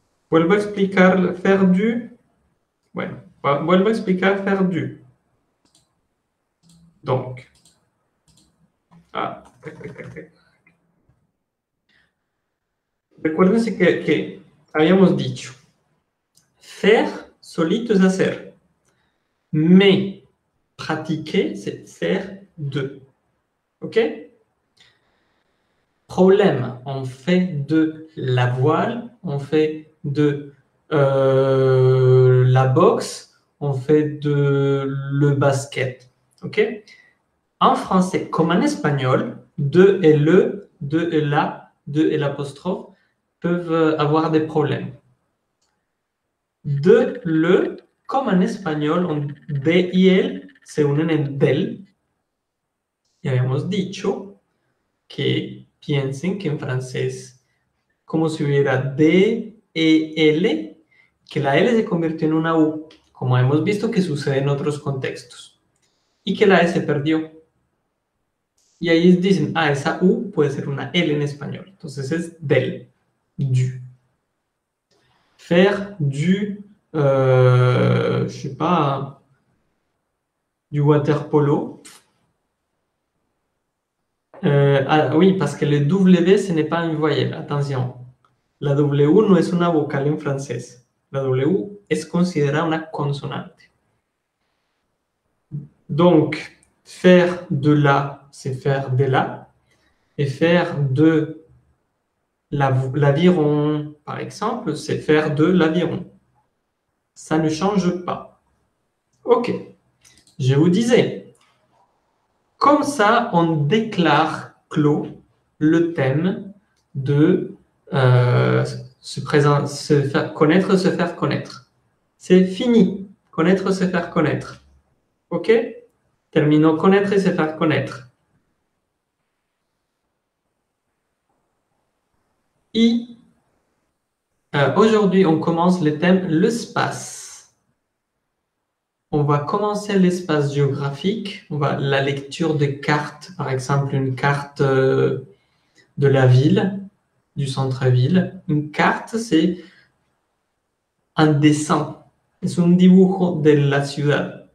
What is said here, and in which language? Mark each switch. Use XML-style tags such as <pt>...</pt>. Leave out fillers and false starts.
<es>Vuelvo a explicar faire du. Bueno, vuelvo a explicar faire du. Donc. Ah, recuérdense que habíamos dicho: faire solito es hacer.</es> <fr>Mais pratiquer, c'est faire de. ¿Ok? Problème: on fait de la voile, on fait de la boxe, on fait de le basket. OK? En français comme en espagnol, de et le, de et la, de et l'apostrophe peuvent avoir des problèmes.</fr> <es>De, le,</es> <fr>comme en espagnol,</fr> <es>on de y el se unen en del. Y habíamos dicho que piensen que en francés, como si hubiera de E L, que la L se convirtió en una U, como hemos visto que sucede en otros contextos, y que la E se perdió. Y ahí dicen, ah, esa U puede ser una L en español. Entonces es del, du.</es> <fr>Faire du, je sais pas, du waterpolo. Ah, oui, parce que le W, ce n'est pas une voyelle, attention.</fr> <es>La W no es una vocal en francés. La W es considerada una consonante.</es> <fr>Donc, faire de la, c'est faire de la. Et faire de l'aviron, par exemple, c'est faire de l'aviron. Ça ne change pas. OK. Je vous disais, comme ça, on déclare clos le thème de. Se présente, se faire connaître, se faire connaître. C'est fini. Connaître, se faire connaître. OK? Terminons connaître et se faire connaître. Et aujourd'hui, on commence le thème l'espace. On va commencer l'espace géographique. On va la lecture de cartes, par exemple, une carte de la ville. Du centre-ville. Une carte, c'est un dessin. C'est un</fr> <es>dibujo de la ciudad.</es>